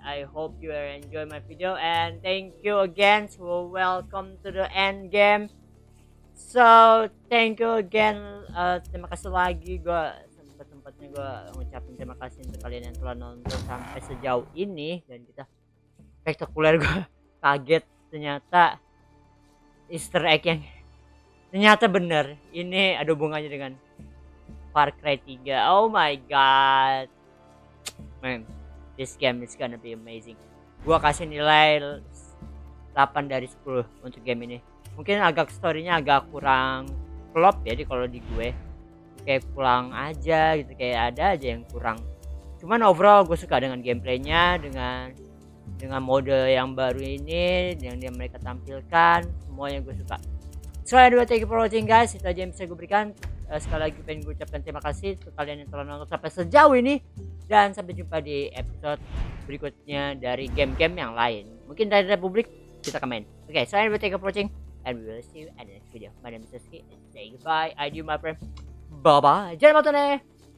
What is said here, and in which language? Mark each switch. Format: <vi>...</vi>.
<en>I hope you are enjoy my video and thank you again for welcome to the end game. So, thank you again.</en> <id>Terima kasih lagi gua. Tempatnya gue ngucapin terima kasih untuk kalian yang telah nonton sampai sejauh ini dan kita spektakuler, gue kaget ternyata Easter egg yang ternyata bener ini ada hubungannya dengan Far Cry 3.</id> <en>Oh my god man, this game is gonna be amazing.</en> <id>Gue kasih nilai 8 dari 10 untuk game ini. Mungkin agak storynya agak kurang klop ya, jadi kalau di gue kayak pulang aja gitu, kayak ada aja yang kurang. Cuman overall gue suka dengan gameplaynya, dengan mode yang baru ini yang dia mereka tampilkan, semuanya gue suka.</id> <en>So anyway, thank you for watching guys,</en> <id>itu aja yang bisa gue berikan. Sekali lagi pengen gue ucapkan terima kasih untuk kalian yang telah nonton sampai sejauh ini dan sampai jumpa di episode berikutnya dari game-game yang lain, mungkin dari Republik kita akan main.</id> <en>Okay, so anyway, thank you for watching and we will see you at the next video. My name is Rizky and say goodbye. I do my friend. Bye-bye.</en> <id>Jangan lupa nonton ya.</id>